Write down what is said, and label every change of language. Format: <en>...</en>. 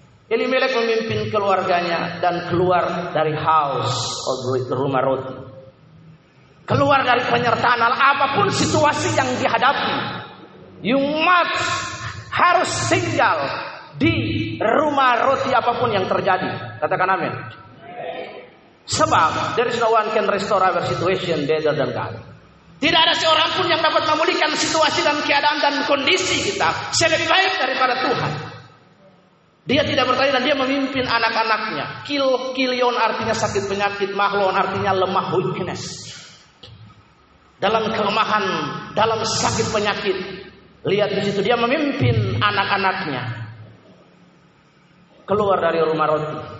<id>Elimelek memimpin keluarganya dan keluar dari house, rumah roti. Keluar dari penyertaan Allah, apapun situasi yang dihadapi.</id> <en>You must</en> <id>harus tinggal di rumah roti apapun yang terjadi. Katakan amin.</id> <en>Sebab there is no one can restore our situation better than God.</en> <id>Tidak ada seorang pun yang dapat memulihkan situasi dan keadaan dan kondisi kita selebih baik daripada Tuhan. Dia tidak bertanya dan dia memimpin anak-anaknya. Kilion artinya sakit penyakit, mahlon artinya lemah, weakness. Dalam kelemahan, dalam sakit penyakit. Lihat di situ dia memimpin anak-anaknya keluar dari rumah roti.</id>